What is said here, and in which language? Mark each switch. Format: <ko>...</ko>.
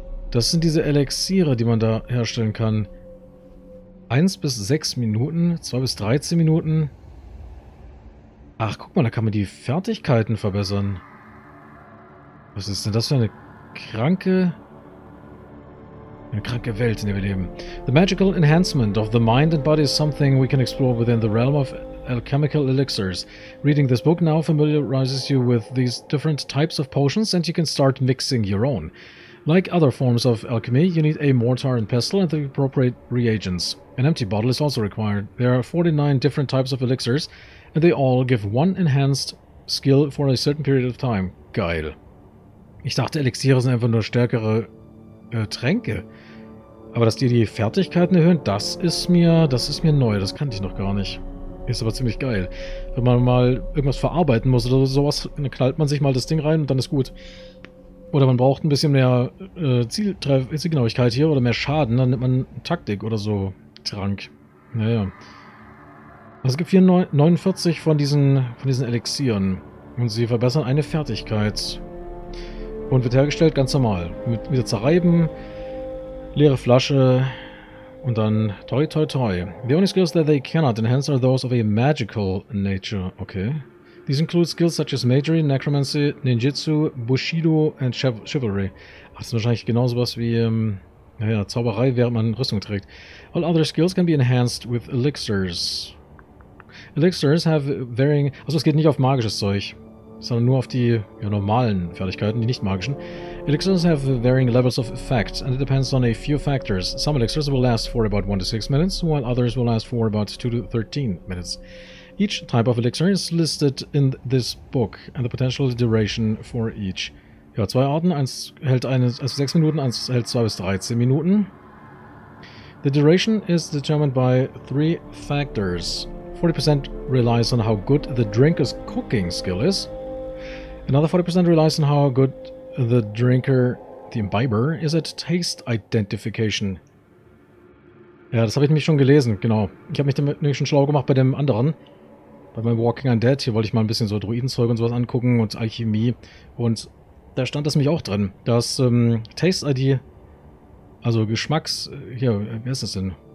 <de>Das sind diese Elixiere, die man da herstellen kann. 1 bis 6 Minuten, 2 bis 13 Minuten. Ach, guck mal, da kann man die Fertigkeiten verbessern. Was ist denn das für eine kranke Welt, in der wir leben?</de> <en>The magical enhancement of the mind and body is something we can explore within the realm of alchemical elixirs. Reading this book now familiarizes you with these different types of potions and you can start mixing your own. Like other forms of alchemy, you need a mortar and pestle and the appropriate reagents. An empty bottle is also required. There are 49 different types of elixirs, and they all give one enhanced skill for a certain period of time.</en> <de>Geil. Ich dachte, Elixiere sind einfach nur stärkere Tränke. Aber dass die Fertigkeiten erhöhen, das ist mir neu. Das kannte ich noch gar nicht. Ist aber ziemlich geil. Wenn man mal irgendwas verarbeiten muss oder sowas, dann knallt man sich mal das Ding rein und dann ist gut. Oder man braucht ein bisschen mehr Zielgenauigkeit hier oder mehr Schaden, dann nimmt man Taktik oder so. Trank. Naja. Also es gibt 49 von diesen Elixieren. Und sie verbessern eine Fertigkeit. Und wird hergestellt ganz normal. Wieder zerreiben. Leere Flasche. Und dann toi toi toi.</de> <en>The only skills that they cannot enhance are those of a magical nature. Okay. These include skills such as Magery, Necromancy, Ninjutsu, Bushido and Chivalry.</en> <de>Ach, das ist wahrscheinlich genauso was wie... Naja, Zauberei, während man Rüstung trägt.</de> <en>All other skills can be enhanced with elixirs. Elixirs have varying...</en> <de>Also es geht nicht auf magisches Zeug, sondern nur auf die normalen Fertigkeiten, die nicht magischen.</de> <en>Elixirs have varying levels of effect, and it depends on a few factors. Some elixirs will last for about 1 to 6 minutes, while others will last for about 2 to 13 minutes. Each type of elixir is listed in this book, and the potential duration for each.</en> <de>Ja, zwei Arten. Eins hält 6 Minuten, eins hält 2 bis 13 Minuten.</de> <en>The duration is determined by 3 factors. 40% relies on how good the drinker's cooking skill is. Another 40% relies on how good the drinker, the imbiber, is at taste identification.</en> <de>Ja, das habe ich nämlich schon gelesen, genau. Ich habe mich damit nämlich schon schlau gemacht bei dem anderen. Bei meinem Walking Undead. Hier wollte ich mal ein bisschen so Druidenzeug und sowas angucken und Alchemie und... Da stand das nämlich auch drin, dass Taste-ID, also Geschmacks, hier, wie ist das denn?</de>